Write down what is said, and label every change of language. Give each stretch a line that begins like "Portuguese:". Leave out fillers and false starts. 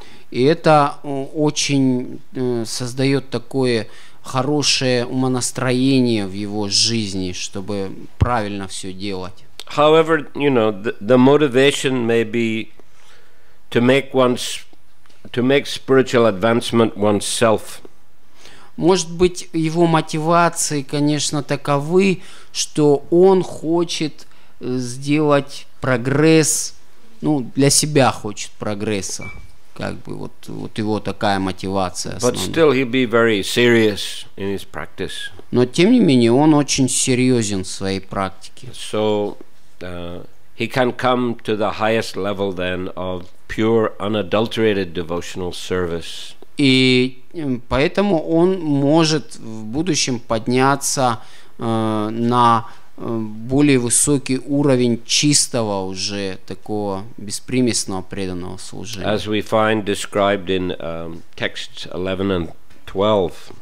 Russian: И это очень создает такое хорошее умонастроение в его жизни, чтобы правильно все делать.
English: However, you know, the motivation may be to make one's to make spiritual advancement oneself.
Russian: Может быть, его мотивации, конечно, таковы, что он хочет сделать прогресс, ну, для себя хочет прогресса, как бы вот его такая мотивация.
English: But still he'd be very serious in his practice.
Russian: Но тем не менее, он очень серьезен в своей практике.
English: So he can come to the highest level then of pure unadulterated devotional service.
Russian: И поэтому он может в будущем подняться на более высокий уровень чистого уже такого беспримесного преданного служения.
English: As we find described in texts 11 and 12.